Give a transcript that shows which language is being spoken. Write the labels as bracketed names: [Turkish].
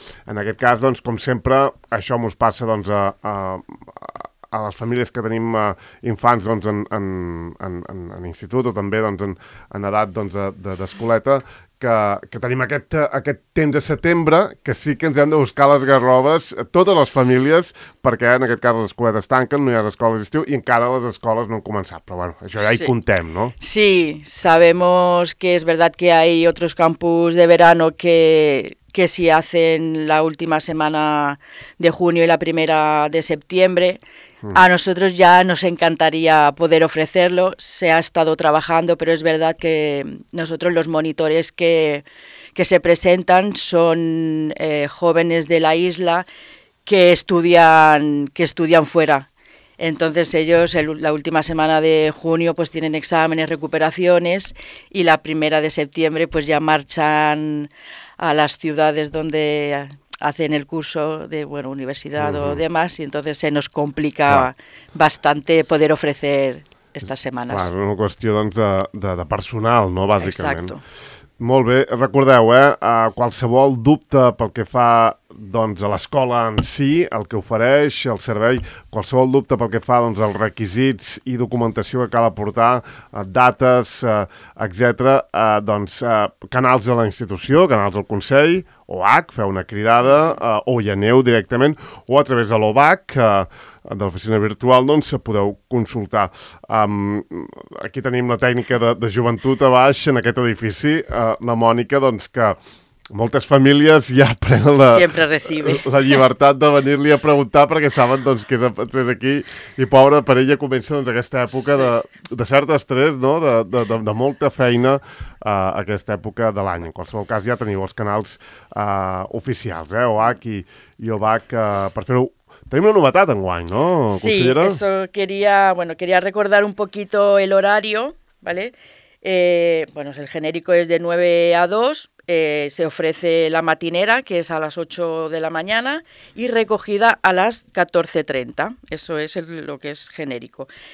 [Catalan] En aquest cas, doncs, com sempre, això ens passa doncs, a les famílies que tenim infants doncs, en institut o també doncs, en edat doncs, d'escoleta, que tenim aquest temps de setembre, que sí que ens hem de buscar les garrobes, totes les famílies, perquè en aquest cas les escoletes tanquen, no hi ha escoles d'estiu i encara les escoles no han començat. Però bueno, això ja hi comptem, no? [Spanish] Sí, sabemos que es verdad que hay otros campus de verano que si hacen la última semana de junio y la primera de septiembre. A nosotros ya nos encantaría poder ofrecerlo, se ha estado trabajando, pero es verdad que nosotros los monitores que se presentan son jóvenes de la isla que estudian fuera. Entonces ellos la última semana de junio pues tienen exámenes, recuperaciones y la primera de septiembre pues ya marchan a las ciudades donde hacen el curso de bueno, universidad o demás y entonces se nos complica bastante poder ofrecer estas semanas. [Catalan] Clar, és una qüestió doncs, de personal, no? Bàsicament. [Spanish] Exacto. [Catalan] Molt bé, recordeu, qualsevol dubte pel que fa doncs, a l'escola en si, el que ofereix, el servei, qualsevol dubte pel que fa doncs, als requisits i documentació que cal aportar, dates, etcètera, canals de la institució, canals del Consell, OAC, feu una cridada, o hi aneu directament, o a través de l'OBAC, de l'oficina virtual, doncs, podeu consultar. Aquí tenim la tècnica de joventut a baix, en aquest edifici, la Mònica, doncs, que moltes famílies ja prenen la llibertat de venir-li a preguntar perquè saben doncs, que és aquí i pobra per ella comença doncs, aquesta època de cert estrès, no? de molta feina aquesta època de l'any. En qualsevol cas ja teniu els canals oficials, OAC i OBAC, per fer-ho. Tenim una novetat enguany, no, consellera? [Spanish] Sí, eso quería, bueno, quería recordar un poquito el horario, ¿vale? Bueno, el genérico es de 9 a 2, se ofrece la matinera, que es a las 8 de la mañana, y recogida a las 14:30, eso es lo que es genérico.